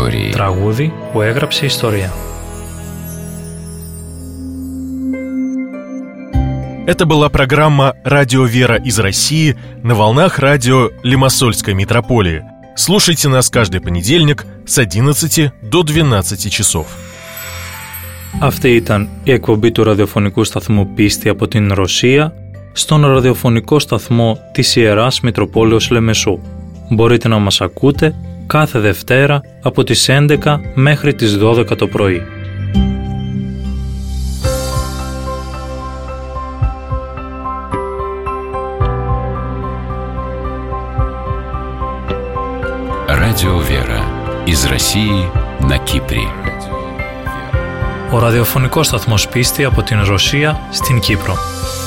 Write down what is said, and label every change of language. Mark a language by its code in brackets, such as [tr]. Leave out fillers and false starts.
[el] Τραγούδι που έγραψε ιστορία. [ru] Это была программа «Радио Вера из России» на волнах радио Лимассольской митрополии. Слушайте нас каждый понедельник с 11 до 12 часов. [el] Αυτή ήταν η εκπομπή του ραδιοφωνικού σταθμού «Πίστη» από την Ρωσία στον ραδιοφωνικό σταθμό της Ιεράς Μητροπόλεως Λεμεσού. Μπορείτε να μας ακούτε κάθε Δευτέρα από τις 11 μέχρι τις 12 το πρωί. [ru] Радио «Вера» из России на Кипре. [el] Ο ραδιοφωνικός σταθμός πίστη από την Ρωσία στην Κύπρο.